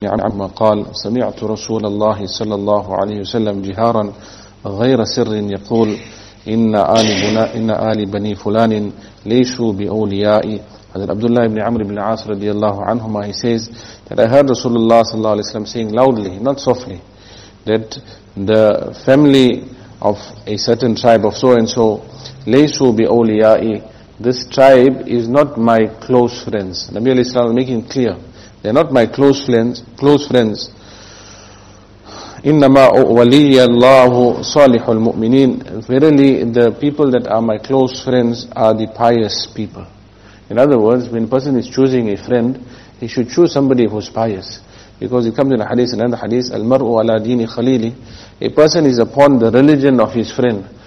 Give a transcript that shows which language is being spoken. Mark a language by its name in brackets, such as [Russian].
[Arabic] عمه قال: سمعت رسول الله صلى الله عليه وسلم جهارا غير سر يقول: إن آل بني فلان ليسوا بأوليائي. هذا عبد الله بن عمرو بن العاص رضي الله عنهما. [English] He says that I heard Rasulullah [Arabic] صلى الله عليه وسلم [English] saying loudly, not softly, that the family of a certain tribe of so and so, [Arabic] ليسوا بأوليائي, [English] this tribe is not my close friends. Nabi alayhi salam making clear, they are not my close friends. [Arabic] إنما ولي الله صالح المؤمنين. [English] Verily, the people that are my close friends are the pious people. In other words, when a person is choosing a friend, he should choose somebody who is pious. Because it comes in a hadith, another hadith, [Arabic] المرء على دين خليلي. [English] A person is upon the religion of his friend.